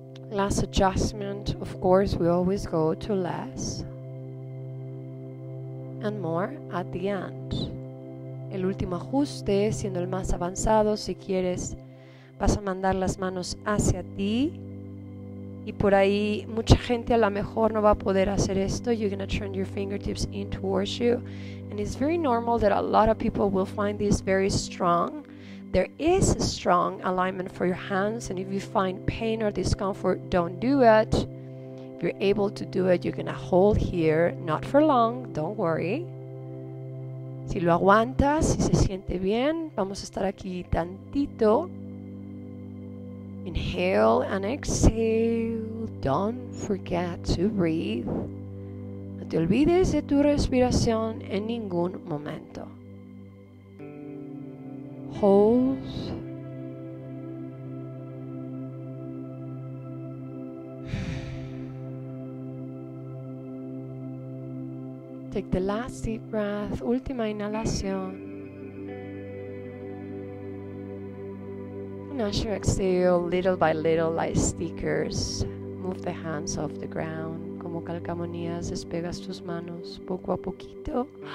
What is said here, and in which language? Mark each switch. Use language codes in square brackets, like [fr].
[en] Last adjustment, of course, we always go to less and more at the end. [es] El último ajuste, siendo el más avanzado, si quieres, vas a mandar las manos hacia ti. Y por ahí, mucha gente a lo mejor no va a poder hacer esto. [en] You're going to turn your fingertips in towards you. And it's very normal that a lot of people will find this very strong. There is a strong alignment for your hands, and if you find pain or discomfort, don't do it. If you're able to do it, you're going to hold here, not for long, don't worry. [es] Si lo aguantas, si se siente bien, vamos a estar aquí tantito. [en] Inhale and exhale. Don't forget to breathe. [es] No te olvides de tu respiración en ningún momento. holes. [en] Take the last deep breath, [es] última inhalación. [en] And as you exhale, little by little, like stickers, move the hands off the ground. [es] Como calcamonías, despegas tus manos poco a poquito.